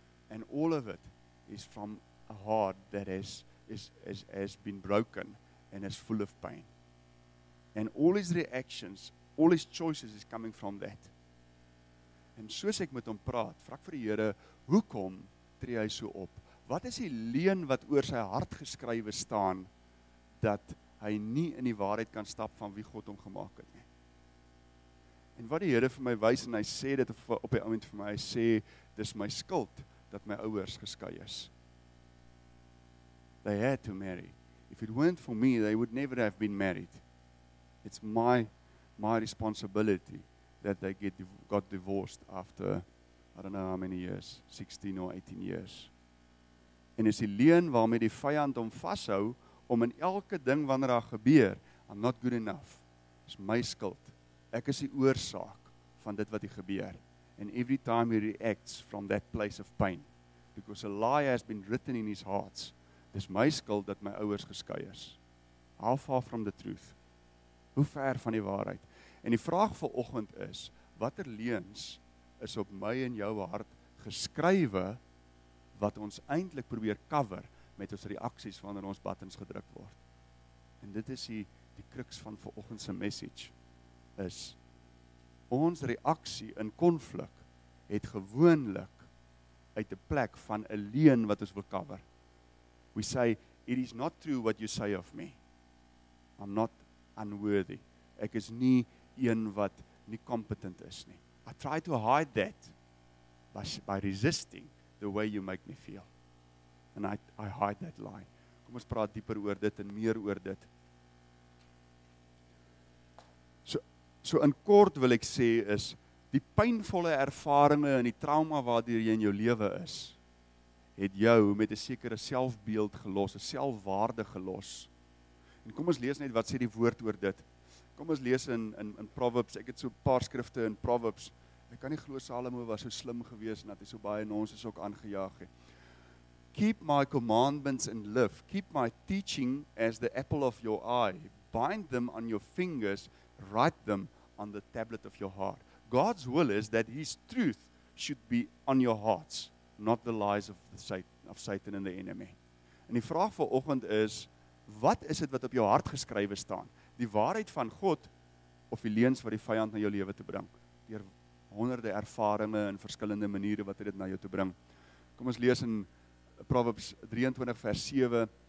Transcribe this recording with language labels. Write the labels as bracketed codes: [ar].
[en] And all of it is from a heart that has been broken and is full of pain. And all his reactions, all his choices is coming from that. [af] En soos ek met hom praat, vra ek vir die Here, hoekom tree hy so op? Wat is die leuen wat oor sy hart geskrywe staan dat hy nie in die waarheid kan stap van wie God hom gemaak het nie? En wat die Here vir my wys en hy sê dit op die oomblik vir my, hy sê, dis my skuld dat my ouers geskei is. [en] They had to marry. If it weren't for me, they would never have been married. It's my responsibility that they got divorced after, I don't know how many years, 16 or 18 years. [af] En is die leuen waarmee die vyand hom vashou, om in elke ding wanneer daar gebeur, [en] I'm not good enough, [af] is my skuld. Ek is die oorsaak van dit wat hier gebeur. [en] And every time he reacts from that place of pain, because a lie has been written in his heart, [af] dis my skuld dat my ouers geskei is. [en] How far from the truth? [af] Hoe ver van die waarheid? En die vraag vir oggend is, watter leuns is op my en jou hart geskrywe wat ons eintlik probeer cover met ons reaksies wanneer ons buttons gedruk word? En dit is die crux van vir oggend se message. Is ons reaksie in konflik het gewoonlik uit 'n plek van 'n leuen wat ons wil cover. [en] We say, it is not true what you say of me. I'm not unworthy. [af] Ek is nie een wat nie competent is nie. [en] I try to hide that by resisting the way you make me feel. And I hide that lie. [af] Kom ons praat dieper oor dit [en] en meer oor dit. [af] So in kort wil ek sê is, die pynvolle ervarings en die trauma waardeur jy in jou lewe is, het jou met 'n sekere selfbeeld gelos, 'n selfwaarde gelos. En kom ons lees net wat sê die woord oor dit. Kom ons lees in Proverbs, ek het so 'n paar skrifte in Proverbs. Ek kan nie glo Salomo was so slim geweest en dat hy so baie nonsens ook aangejaag het. [en] Keep my commandments and live. Keep my teaching as the apple of your eye. Bind them on your fingers. Write them on the tablet of your heart. God's will is that his truth should be on your hearts, not the lies of Satan and the enemy. [af] En die vraag vir oggend is, wat is dit wat op jou hart geskrywe staan? Die waarheid van God of die leuns wat die vyand na jou lewe te bring? Deur honderde ervarings en verskillende maniere wat dit na jou te bring. Kom ons lees in Proverbs 23 vers 7.